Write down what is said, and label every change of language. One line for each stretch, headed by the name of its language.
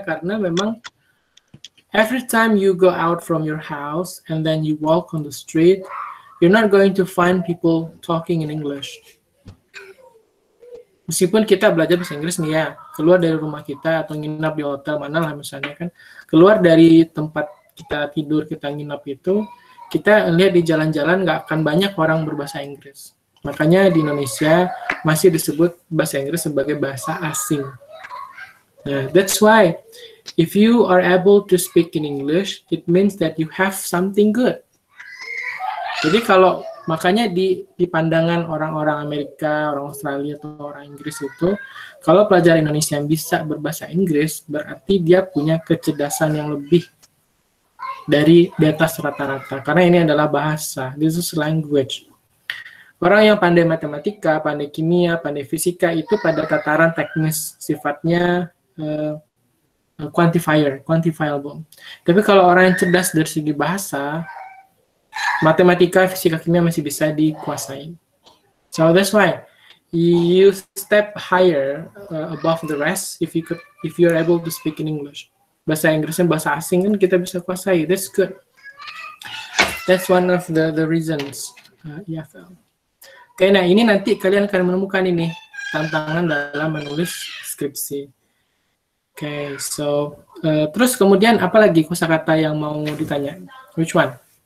Indonesian: Karena memang
English: every time you go out from your house and then you walk on the street you're not going to find people talking in English.
Indonesian: Meskipun kita belajar bahasa Inggris nih ya, keluar dari rumah kita atau nginap di hotel mana lah misalnya kan, keluar dari tempat kita tidur, kita nginap itu, kita lihat di jalan-jalan nggak akan banyak orang berbahasa Inggris. Makanya di Indonesia masih disebut bahasa Inggris sebagai bahasa asing.
English: Nah, that's why if you are able to speak in English, it means that you have something good.
Indonesian: Jadi kalau makanya di pandangan orang-orang Amerika, orang Australia atau orang Inggris itu, kalau pelajar Indonesia yang bisa berbahasa Inggris, berarti dia punya kecerdasan yang lebih dari di atas rata-rata. Karena ini adalah bahasa,
English: this is language.
Indonesian: Orang yang pandai matematika, pandai kimia, pandai fisika itu pada tataran teknis, sifatnya quantifiable. Tapi kalau orang yang cerdas dari segi bahasa, matematika, fisika, kimia masih bisa dikuasai.
English: So that's why you step higher above the rest if you're able to speak in English.
Indonesian: Bahasa Inggrisnya bahasa asing kan kita bisa kuasai.
English: That's good. That's one of the reasons. EFL.
Indonesian: Okay, nah ini nanti kalian akan menemukan ini tantangan dalam menulis skripsi. Okay, so terus kemudian apa lagi kosakata yang mau ditanya?
English: Which one?